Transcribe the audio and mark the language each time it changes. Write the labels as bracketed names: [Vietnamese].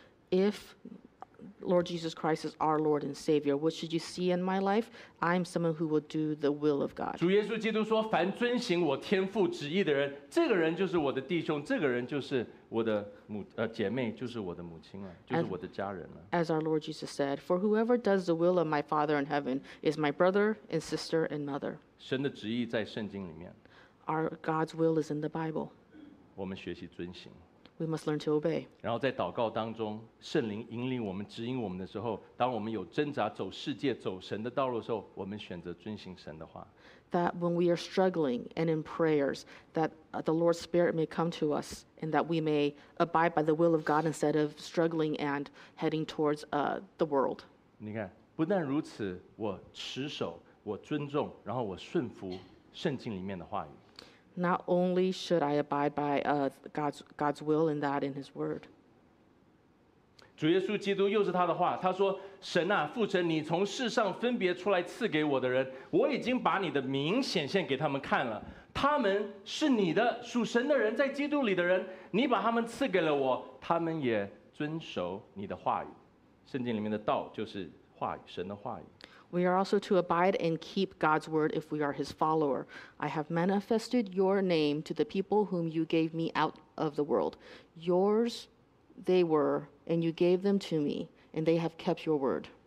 [English] If Lord Jesus Christ is our Lord and Savior, what should you see in my life? I'm someone who will do the will of God. [Chinese] 主耶稣基督说，凡遵行我天父旨意的人，这个人就是我的弟兄，这个人就是我的母姐妹，就是我的母亲了，就是我的家人了。 [English] As our Lord Jesus said, for whoever does the will of my Father in heaven is my brother and sister and mother. [Chinese] 神的旨意在圣经里面。 [English] Our God's will is in the Bible. [Chinese] 我们学习遵行。 [English] We must learn to obey. [Chinese] 然后在祷告当中，圣灵引领我们、指引我们的时候，当我们有挣扎、走世界、走神的道路的时候，我们选择遵行神的话。 [English] That when we are struggling and in prayers, that the Lord's Spirit may come to us, and that we may abide by the will of God instead of struggling and heading towards the world. [Chinese] 你看，不但如此，我持守，我尊重，然后我顺服圣经里面的话语。 [English] Not only should I abide by God's will in that in His word. [Chinese] 主耶稣基督又是他的话，他说：“神啊，父神，你从世上分别出来赐给我的人，我已经把你的名显现给他们看了。他们是你的属神的人，在基督里的人，你把他们赐给了我，他们也遵守你的话语。圣经里面的道就是话语，神的话语。” [English] We are also to abide and keep God's word if we are His follower. I have manifested your name to the people whom you gave me out of the world. Yours they were, and you gave them to me, and they have kept your word.